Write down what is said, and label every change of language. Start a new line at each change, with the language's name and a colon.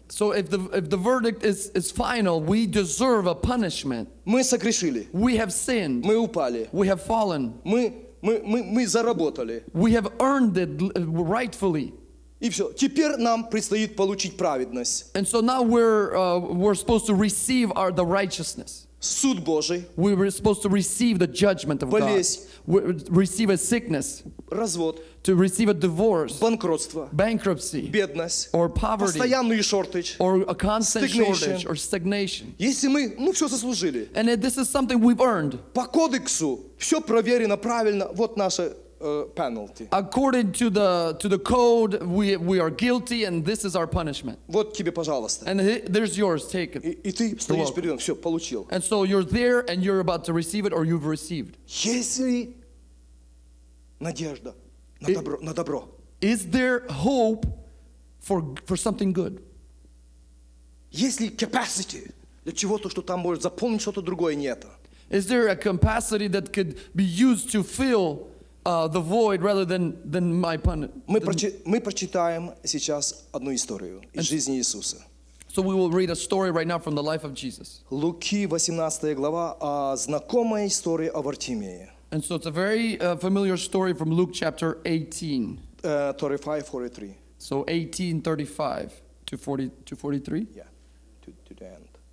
English: So if the verdict is final, we deserve a punishment.
Russian: Мы согрешили.
English: We have sinned.
Russian: Мы упали.
English: We have fallen.
Russian: Мы заработали.
English: We have earned it rightfully.
Ukrainian: І все.
Russian: Тепер нам предстоит получить праведность.
English: And so now we're supposed to receive the righteousness.
Russian: Суд Божий.
English: We were supposed to receive the judgment of
Russian: болезнь.
English: God. Receive a sickness.
Russian: Развод.
English: To receive a divorce.
Russian: Банкротство.
English: Bankruptcy.
Russian: Бедность.
English: Or poverty.
Russian: Постоянную shortage.
English: Or a constant shortage or stagnation.
Russian: Если мы, ну все заслужили.
English: And this is something we've earned.
Russian: По кодексу все проверено правильно. Вот наше penalty.
English: According to the code, we are guilty, and this is our punishment.
Russian: Вот тебе, пожалуйста.
English: And there's yours, take it.
Russian: И ты стоишь перед ним, все, получил.
English: And so you're there, and you're about to receive it, or you've received.
Russian: Если надежда на добро, на добро.
English: Is there hope for something good?
Russian: Если capacity для чего-то, что там может заполнить что-то другое, нет.
English: Is there a capacity that could be used to fill the void rather than my pun.
Russian: Мы прочитаем сейчас одну историю из жизни Иисуса.
English: So we will read a story right now from the life of Jesus.
Russian: Луки 18 глава, знакомая история о Вартимее.
English: And so it's a very familiar story from Luke chapter 18.
Russian: 35-43.
English: So 18:35 to 43? Yeah, to the end.